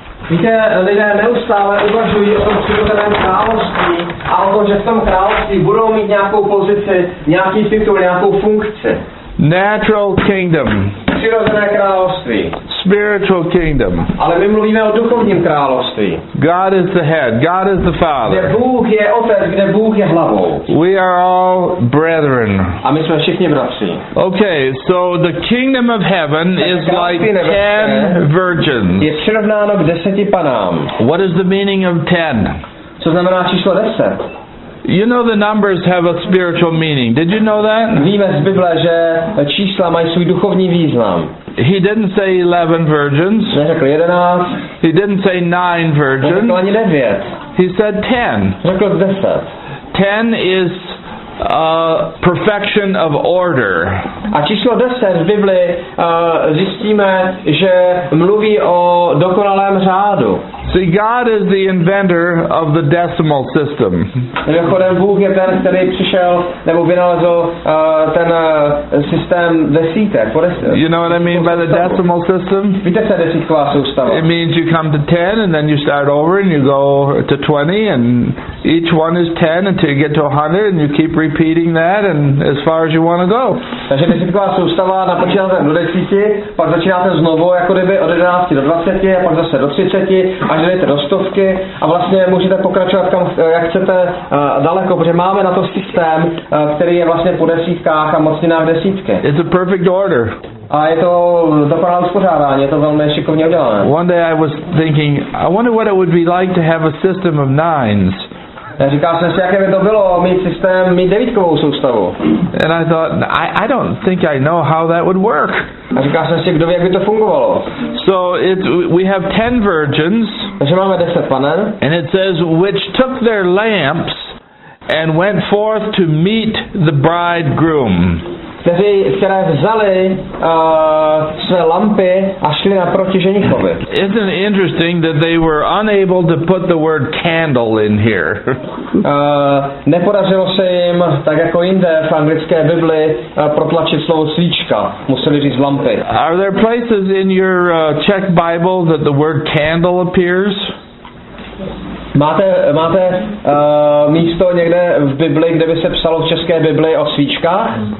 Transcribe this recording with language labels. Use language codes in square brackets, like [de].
[cs] Víte, lidé neustále uvažují o tom přirozeném království a o tom, že v tom království budou mít nějakou pozici, nějaký titul, nějakou funkci. [en] Natural kingdom. [cs] Přirozené království. [en] Spiritual kingdom. [cs] Ale my mluvíme o duchovním království. [en] God is the head. God is the father. [cs] Kde Bůh je otec, kde Bůh je hlavou. [en] We are all brethren. [cs] A my jsme všichni bratři. [en] Okay, so the kingdom of heaven is like 10 virgins. [cs] Je přirovnáno k 10 panám. [en] What is the meaning of 10? [cs] Co znamená číslo 10? [en] You know the numbers have a spiritual meaning. Did you know that? [cs] Víme z Bible, že čísla mají svůj duchovní význam. [en] He didn't say 11 virgins. [cs] Neřekl 11. [en] He didn't say 9 virgins. [cs] Neřekl ani 9. [en] He said 10. [cs] Řekl 10. [en] 10 is perfection of order. [cs] A číslo 10 z Bible zjistíme, že mluví o dokonalém řádu. [en] See, God is the inventor of the decimal system. [cs] Mimochodem, Bůh je ten, který přišel nebo vynalezl ten systém desítek. [en] You know what I mean by the decimal system? [cs] Víte, co je desítková soustava? [en] It means you come to 10 and then you start over and you go to 20 and each one is 10 until you get to 100 and you keep repeating that and as far as you want to go. [cs] Takže desítková soustava, napočínáte do desíti, pak začínáte znovu, jako kdyby od 11 do 20 a pak zase do 30. A jdete do stovky a vlastně můžete pokračovat kam, jak chcete daleko, protože máme na to systém, který je vlastně po desítkách a mocninách desítky. [en] It's a perfect order. [cs] A je to dokonalé uspořádání, je to velmi šikovně udělané. [en] One day I was thinking, I wonder what it would be like to have a system of nines. [cs] Já říkal jsem si, jaké by to bylo mít systém, mít devítkovou soustavu. [en] And I thought, I don't think I know how that would work. [cs] A říkal jsem si, kdo ví, jak by to fungovalo. [en] So it, we have 10 virgins. [cs] Takže máme 10 panen. [en] And it says, which took their lamps and went forth to meet the bridegroom. [cs] Které vzali své lampy a šli naproti ženichovi. [en] Isn't it interesting that they were unable to put the word candle in here? [cs] Nepodařilo se jim, tak jako jinde v anglické Bibli, protlačit slovo svíčka. Museli říct lampy. [en] Are there places in your Czech Bible that the word candle appears? [cs] Máte místo někde v Bibli, kde by se psalo v české Bibli o svíčkách?